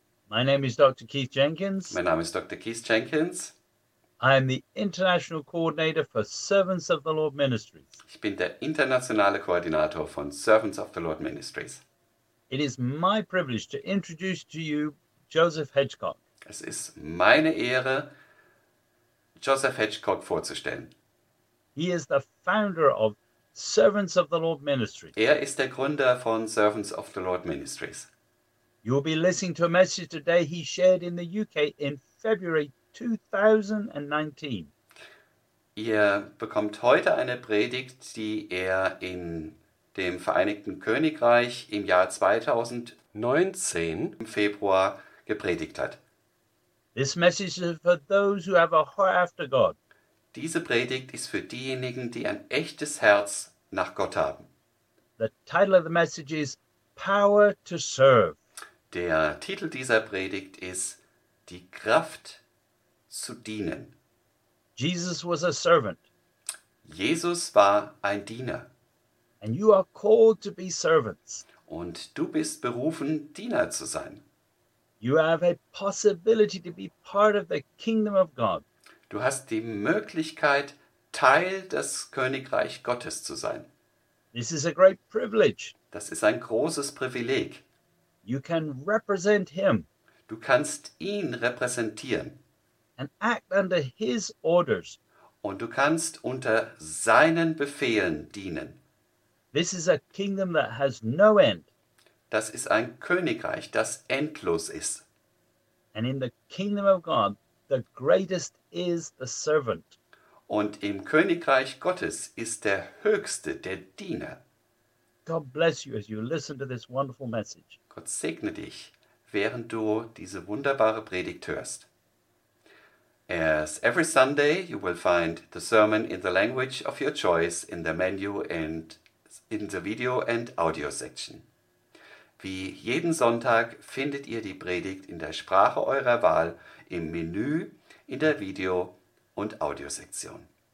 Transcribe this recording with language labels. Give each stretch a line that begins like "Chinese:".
English: My name is Dr. Keith Jenkins.
German: Mein Name ist Dr. Keith Jenkins.
English: I am the International Coordinator for Servants of the Lord Ministries.
German: Ich bin der internationale Koordinator von Servants of the Lord Ministries.
English: It is my privilege to introduce to you Joseph Hedgecock.
German: Es ist meine Ehre, Joseph Hedgecock vorzustellen.
English: He is the founder of Servants of the Lord Ministries.
German: Er ist der Gründer von Servants of the Lord Ministries.
English: You'll be listening to a message today he shared in the UK in February 2019.
German: Ihr bekommt heute eine Predigt, die er in dem Vereinigten Königreich im Jahr 2019 im Februar gepredigt hat.
English: This message is for those who have a heart after God.
German: Diese Predigt ist für diejenigen, die ein echtes Herz nach Gott haben.
English: The title of the message is Power to Serve.
German: Der Titel dieser Predigt ist Die Kraft zu dienen.
English: Jesus was a servant.
German: Jesus war ein Diener.
English: And you are called to be servants.
German: Und du bist berufen, Diener zu sein.
English: You have a possibility to be part of the kingdom of God.
German: Du hast die Möglichkeit, Teil des Königreich Gottes zu sein.
English: This is a great privilege.
German: Das ist ein großes Privileg.
English: You can represent him.
German: Du kannst ihn repräsentieren.
English: And act under his orders.
German: Und du kannst unter seinen Befehlen dienen.
English: This is a kingdom that has no end.
German: Das ist ein Königreich, das endlos ist.
English: And in the kingdom of God, the greatest is the servant.
German: Und im Königreich Gottes ist der Höchste der Diener.
English: God bless you as you listen to this wonderful message.
German: Gott segne dich, während du diese wunderbare Predigt hörst.
English: As every Sunday, you will find the sermon in the language of your choice in the menu and in the video and audio section.
German: Wie jeden Sonntag findet ihr die Predigt in der Sprache eurer Wahl im Menü, in der Video- und Audiosektion.